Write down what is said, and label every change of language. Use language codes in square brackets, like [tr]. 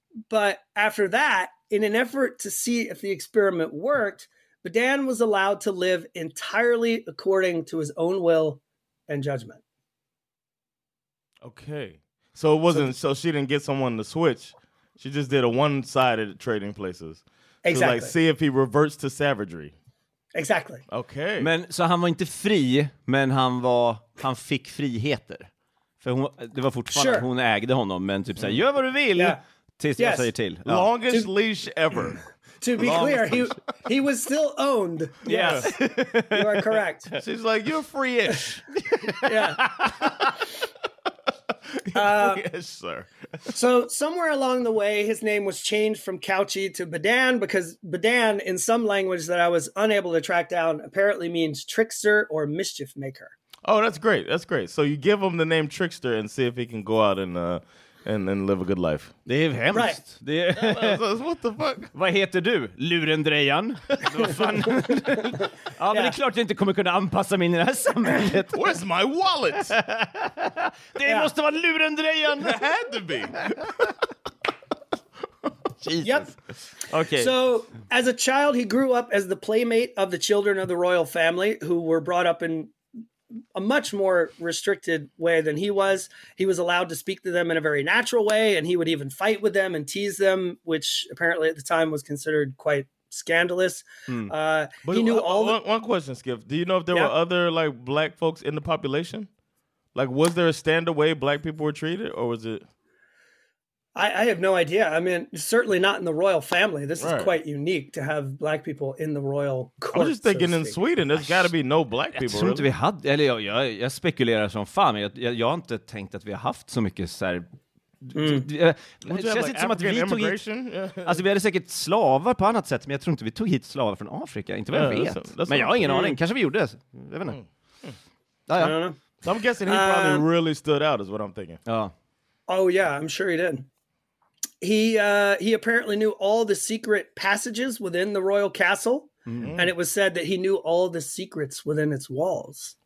[en] But after that, in an effort to see if the experiment worked, Badan was allowed to live entirely according to his own will and judgment. Okay. So it wasn't, so she didn't get someone to switch. She just did a one-sided Trading Places. Exactly. To like see if he reverts to savagery. Exactly. Okay. [sv] Men så han var inte fri, men han fick friheter. För hon, det var fortfarande [en] sure. [sv] hon ägde honom, men typ såhär, gör vad du vill. [en] Yeah. [sv] Tills jag säger till. [en] Ja. Longest leash ever. To be clear, he was still owned. Yes. You are correct. She's like, you're free-ish. Yeah. Yes, sir. So somewhere along the way, his name was changed from Couchy to Badan, because Badan, in some language that I was unable to track down, apparently means trickster or mischief maker. Oh, that's great. That's great. So you give him the name trickster and see if he can go out and live a good life. [sv] Det är hemskt. [en] Right. [sv] Det är... [en] What the fuck? [sv] Vad heter du? Lurendrejan. Vad fan? Ja, men det är klart att jag inte kommer kunna anpassa mig in i det här samhället. [en] Where's my wallet? [sv] Det måste vara Lurendrejan. [en] It had to be. Jesus. Yep. Okay. So, as a child, he grew up as the playmate of the children of the royal family, who were brought up in a much more restricted way than he was. He was allowed to speak to them in a very natural way, and he would even fight with them and tease them, which apparently at the time was considered quite scandalous. But he knew all. One question, Skip. Do you know if there were other like black folks in the population? Like, was there a standard way black people were treated, or was it? I have no idea. I mean, certainly not in the royal family. This is quite unique to have black people in the royal court. I'm just thinking in Sweden, there's got to be no black people. [sv] Jag tror inte vi hade, eller jag spekulerar som fan, men jag har inte tänkt att vi har haft så mycket så här... Det känns inte som att vi tog hit... Alltså, vi hade säkert slavar på annat sätt, men jag tror inte vi tog hit slavar från Afrika. Inte vad jag vet. Men jag har ingen aning. Kanske vi gjorde det. Jag vet inte. [en] I don't know. So I'm guessing he probably really stood out, is what I'm thinking. Oh, yeah, I'm sure he did. He apparently knew all the secret passages within the royal castle, and it was said that he knew all the secrets within its walls.